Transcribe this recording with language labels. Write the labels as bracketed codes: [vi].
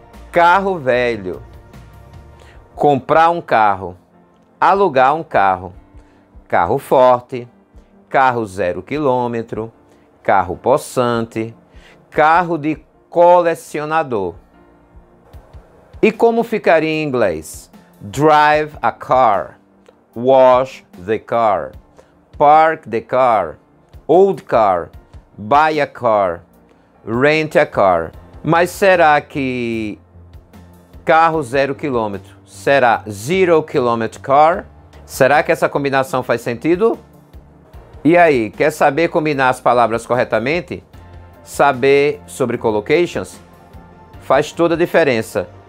[pt] Carro velho. Comprar um carro. Alugar um carro. Carro forte, carro zero quilômetro, carro possante, carro de colecionador. E como ficaria em inglês? [en] Drive a car, wash the car, park the car, old car, buy a car, rent a car. [pt] Mas será que carro zero quilômetro será [en] zero kilometer car? [pt] Será que essa combinação faz sentido? E aí, quer saber combinar as palavras corretamente? Saber sobre collocations? Faz toda a diferença.